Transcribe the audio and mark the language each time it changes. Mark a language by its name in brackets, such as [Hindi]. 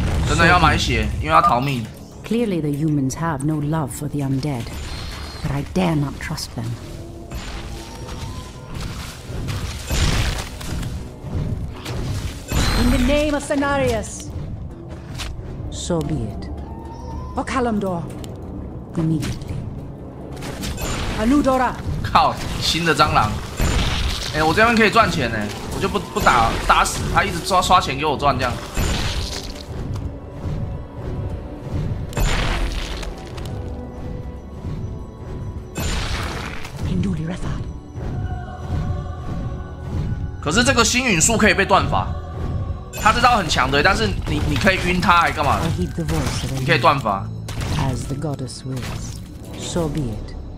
[English] Really, [Chinese] 要买血，因为要逃命。 [English] Clearly, the humans have no love for the undead, but I dare not trust them. In the name of Cenarius. So be it. O Kalimdor, immediately. Anudora. [Chinese] 靠，新的蟑螂。哎，我这边可以赚钱呢，我就不打打死他，一直刷钱给我赚这样。 [English] Hinduli Rethar. [Chinese] 可是这个星陨术可以被断法。他这招很强的，但是你可以晕他还干嘛？你可以断法。 [English] As the goddess wills, so be it.